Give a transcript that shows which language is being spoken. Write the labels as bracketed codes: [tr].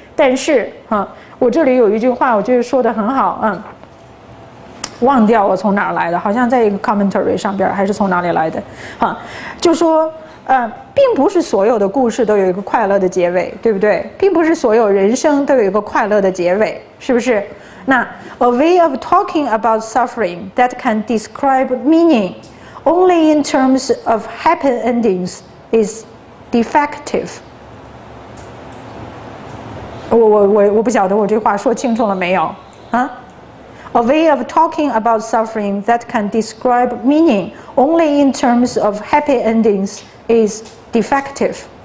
[zh] 但是啊，我这里有一句话我觉得说得很好，嗯，忘掉我从哪儿来的，好像在一个 commentary 上边还是从哪里来的啊，就说并不是所有的故事都有一个快乐的结尾，对不对？并不是所有人生都有一个快乐的结尾，是不是？ [en] 那 a way of talking about suffering that can describe meaning only in terms of happy endings is defective。 [zh] 我不晓得我这话说清楚了没有啊。 [en] A way of talking about suffering that can describe meaning only in terms of happy endings is defective。